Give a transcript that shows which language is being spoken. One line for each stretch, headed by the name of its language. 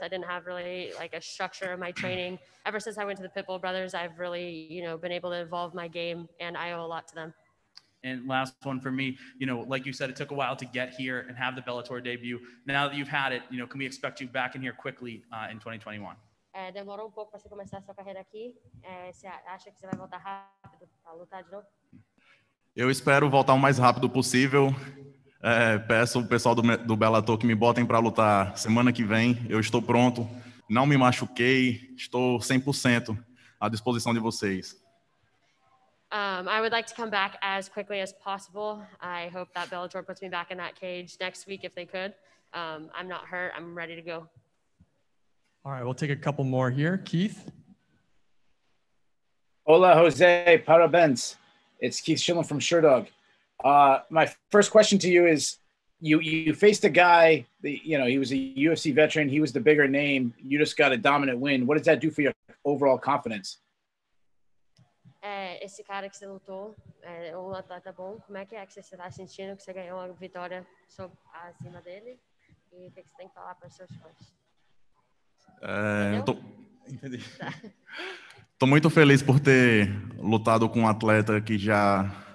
English: I didn't have really like a structure of my training. Ever since I went to the Pitbull brothers, I've really, you know, been able to evolve my game and I owe a lot to them. And last one for me, you know, like you said, it took a while to get here and have the Bellator debut. Now that you've had it, you know, can we expect you back in here quickly in 2021?
Portuguese: Demorou um pouco para você começar a sua carreira aqui. Você acha que você vai voltar rápido para lutar de novo? Eu espero voltar o mais rápido possível. Peço o pessoal do Bellator que me botem para lutar semana que vem. Eu estou pronto. Não me machuquei. Estou 100% à disposição de vocês.
English: I would like to come back as quickly as possible. I hope that Bellator puts me back in that cage next week if they could. I'm not hurt. I'm ready to go. All right, we'll take a couple more here. Keith.
Spanish: Hola,
English: Jose.
Portuguese: Parabéns.
English: It's Keith Schillen from SureDog. My first question to you is, you faced a guy, he was a UFC veteran. He was the bigger name. You just got a dominant win. What does that do for your overall confidence?
Portuguese: Esse cara que você lutou, um atleta bom. Como é que você está sentindo que você ganhou uma vitória acima dele? E o que você tem que falar para os seus fãs? Entendi. Estou muito feliz por ter lutado com um atleta que já